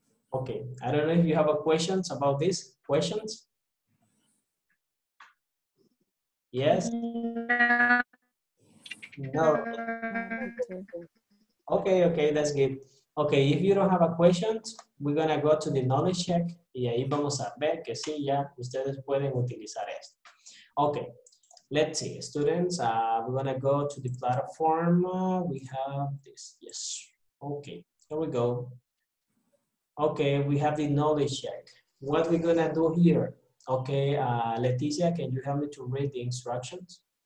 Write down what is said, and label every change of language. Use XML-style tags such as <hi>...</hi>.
<en>Okay, I don't know if you have a questions about this. Questions? Yes? No. Okay, okay, that's good. Okay, if you don't have a questions, we're gonna go to the knowledge check.</en> <es>Y ahí vamos a ver que sí, ya ustedes pueden utilizar esto.</es> <en>Okay. Let's see, students, we're gonna go to the platform. We have this, yes. Okay, here we go. Okay, we have the knowledge check. What we're gonna do here? Okay, Leticia, can you help me to read the instructions?</en>